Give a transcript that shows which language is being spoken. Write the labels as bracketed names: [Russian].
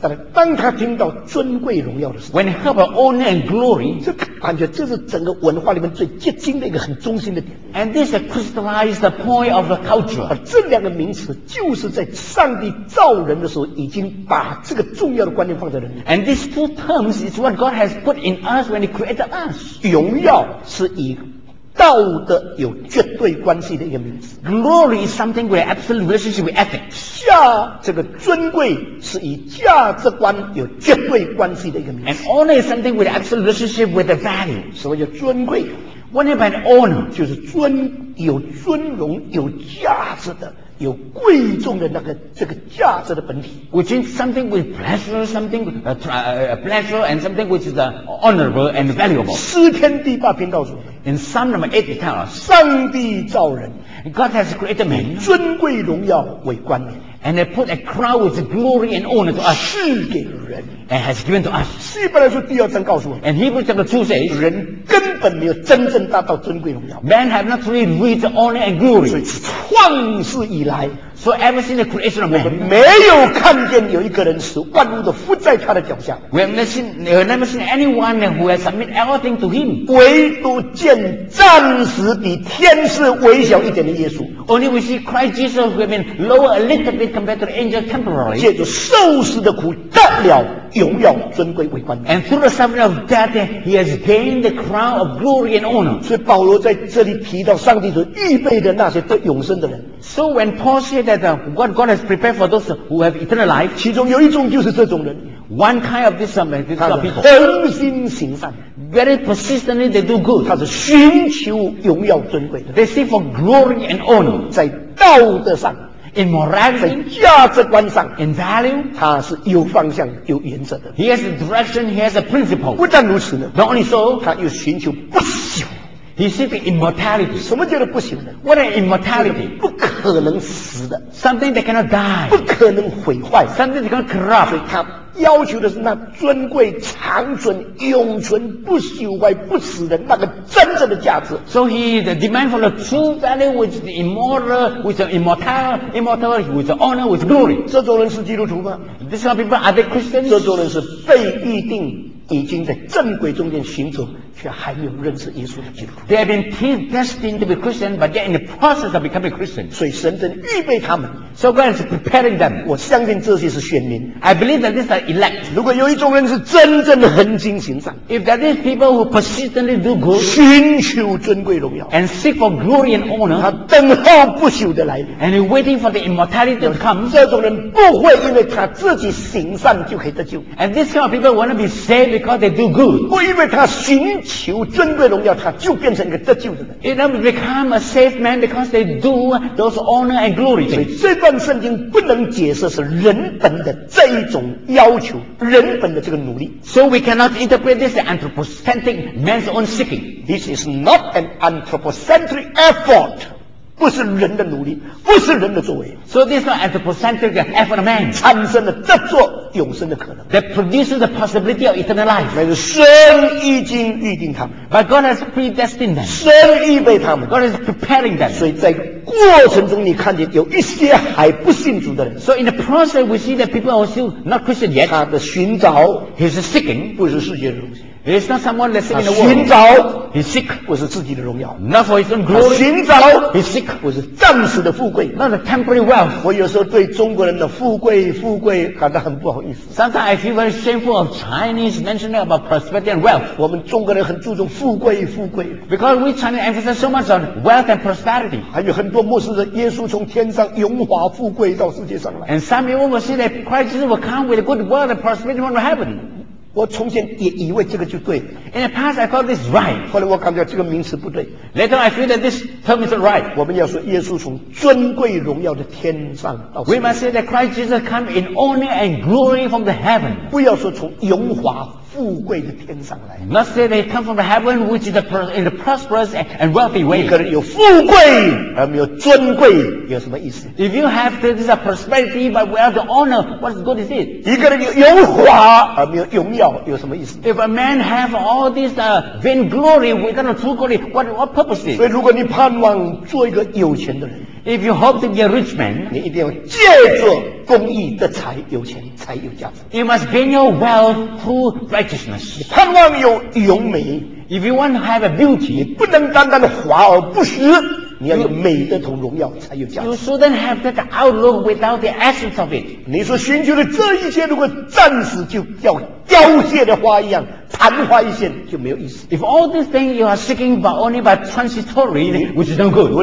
[Chinese] 但是当他听到尊贵荣耀的时候 [English] ，When he heard about honor and glory, [Chinese] 这感觉这是整个文化里面最接近的一个很中心的点。 [English] And this crystallized the point of the culture. [Chinese] 这两个名词就是在上帝造人的时候已经把这个重要的观念放在人里。 [English] And these two terms is what God has put in us when He created us. [Chinese] 荣耀是以道德有绝对关系的一个名词 [English] Glory is something with absolute relationship with ethics [Chinese] 这个尊贵是以价值观有绝对关系的一个名词 [English] And honor is something with absolute relationship with the value [Chinese] 什么叫尊贵 [English] What about honor [Chinese] 就是尊有尊荣有价值的有贵重的那个这个价值的本体 [English] Which is something with pleasure something pleasure and something which is honorable and valuable [Chinese] 诗篇第八篇道主 [English] In Psalm number 8, it tells us, [Chinese] 上帝造人 [English] God has created man, [Chinese] 尊贵荣耀为冠冕 [English] and they put a crown with glory and honor to us, [Chinese] 赐给人 [English] and has given to us. [Chinese] 希伯来书第二章告诉我 [English] and Hebrews chapter 2 says, [Chinese] 人根本没有真正达到尊贵荣耀 [English] man have not really reached honor and glory. [Chinese] 所以自创世以来 [English] so ever since the creation of man, [Chinese] 我们没有看见有一个人使万物都伏在他的脚下 [English] we have never seen anyone who has submitted everything to him, [Chinese] 唯独见暂时比天使微小一点的耶稣 [English] Only we see Christ Jesus who have been lower a little bit compared to the angel temporarily [Chinese] 借着受死的苦得了荣耀尊贵为冠冕 [English] And through the suffering of death he has gained the crown of glory and honor [Chinese] 所以保罗在这里提到上帝所预备的那些得永生的人 [English] So when Paul said that what God has prepared for those who have eternal life [Chinese] 其中有一种就是这种人 [English] One kind of this people [Chinese] 恒心行善 [English] very persistently they do good. [Chinese] 他是寻求荣耀尊贵的。 [English] They seek for glory and honor. [Chinese] 在道德上。 [English] In morality, [Chinese] 在价值观上 [English] ，in value， [Chinese] 他是有方向、有原则的。 [English] He has a direction, he has a principle. [Chinese] 不但如此呢 [English] ，not only so， [Chinese] 他又寻求不朽。 [English] He seeks immortality. [Chinese] 什么叫做不朽呢 [English] ？What is immortality？ [Chinese] 不可能死的 [English] ，something that cannot die， [Chinese] 不可能毁坏 [English] ，something that cannot corrupt。 [Chinese] 所以他要求的是那尊贵、长存、永存、不朽坏、不死的那个真正的价值。 [English] So he the demand for the true value, which is immortal, which is immortality, which is honor, which is glory. [Chinese] 这种人是基督徒吗 [English] ？These are people are they Christians？ [Chinese] 这种人是被预定。已经在正轨中间行走，却还没有认识耶稣的基督。 [English] They have been predestined to be Christian, but they're in the process of becoming Christian. [Chinese] 所以神正预备他们。 [English] So God is preparing them. [Chinese] 我相信这些是选民。 [English] I believe that these are elect. [Chinese] 如果有一种人是真正的恒心行善 [English] ，If there are these people who persistently do good, [Chinese] 寻求尊贵荣耀 [English] ，and seek for glory and honor, [Chinese] 他等候不朽的来临 [English] ，and waiting for the immortality to come. [Chinese] 这种人不会因为他自己行善就可以得救。 [English] And this kind of people want to be saved. Because they do good. [Chinese] 不因为他寻求尊贵荣耀，他就变成一个得救的人。 [English] They become a saved man because they do those honor and glory. [Chinese] 所以这段圣经不能解释是人本的这一种要求，人本的这个努力。 [English] So we cannot interpret this as anthropocentric man's own seeking. This is not an anthropocentric effort. [Chinese] 不是人的努力，不是人的作为。 [English] So this is not anthropocentric effort of man. [Chinese] 产生了这座永生的可能。 [English] That produces the possibility of eternal life. [Chinese] 乃是神已经预定他们。 [English] But God has predestined them. [Chinese] 神预备他们。 [English] God is preparing them. [Chinese] 所以在过程中，你看见有一些还不信主的人。 [English] So in the process, we see that people are still not Christian yet. [Chinese] 他的寻找 [English] ，his seeking， [Chinese] 不是世界的东西。 [English] It's not someone that's in the world. [Chinese] 寻找 [English] ，he seek， [Chinese] 不是自己的荣耀。 [English] Not for his own glory. [Chinese] 寻找 [English] ，he seek， [Chinese] 不是暂时的富贵。 [English] Not a temporary wealth. [Chinese] 我有时候对中国人的富贵感到很不好意思。 [English] Sometimes I feel very shameful of Chinese mentioning about prosperity and wealth. [Chinese] 我们中国人很注重富贵。 [English] Because we Chinese emphasize so much on wealth and prosperity. [Chinese] 还有很多牧师说，耶稣从天上荣华富贵到世界上来。 [English] And some people will say that Christ Jesus will come with a good wealth and prosperity from heaven. [Chinese] 我从前也以为这个就对。 [English] In the past, I thought this right. [Chinese] 后来我感觉这个名词不对。 [English] Later, I feel that this term is right. [Chinese] 我们要说耶稣从尊贵荣耀的天上到世界。 [English] We must say that Christ Jesus came in honor and glory from the heaven. [Chinese] 不要说从荣华富贵的天上来。 [English] Must say that he come from the heaven, which is in the prosperous and wealthy way. [Chinese] 你可能有富贵，而没有尊贵，有什么意思 [English] ？If you have this a prosperity but without the honor, what good is it？ [Chinese] 一个人有荣华而没有荣耀，有什么意思 [English] ？If a man have all this vain glory without the true glory, what purpose is？ [Chinese] 所以，如果你盼望做一个有钱的人。 [English] If you hope to be a rich man, [Chinese] 你一定要借助公义的财，有钱才有价值。 [English] You must gain your wealth through righteousness. [Chinese] 你盼望有容美。 [English] If you want to have a beauty, [Chinese] 你不能单单的华而不实。你要有美的同荣耀才有价值。 [English] You shouldn't have that outlook without the essence of it. [Chinese] 你所寻求的这一切，如果暂时就要凋谢的花一样。昙花一现就没有意思。 [English] If all these things you are seeking but only by transitory, which is no good.